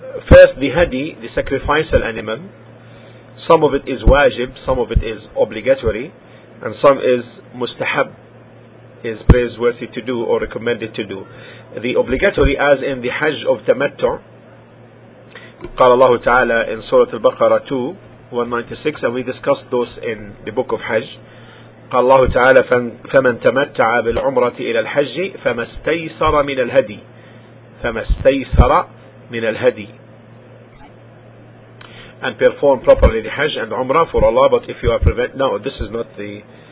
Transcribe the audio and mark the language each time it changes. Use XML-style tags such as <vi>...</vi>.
<en>First, the hadi, the sacrificial animal, some of it is wajib, some of it is obligatory, and some is mustahab, is praiseworthy to do or recommended to do. The obligatory, as in the Hajj of Tamattu,</en> <ar>قال الله تعالى</ar> <en>in Surah Al-Baqarah 2, 196, and we discussed those in the book of Hajj.</en> <ar>قال الله تعالى فمن تمتع بالعمرة إلى الحج فما استيسر من الهدي فما استيسر من الهدي.</ar> <en>And perform properly the Hajj and Umrah for Allah. But if you are prevented, no, this is not the</en>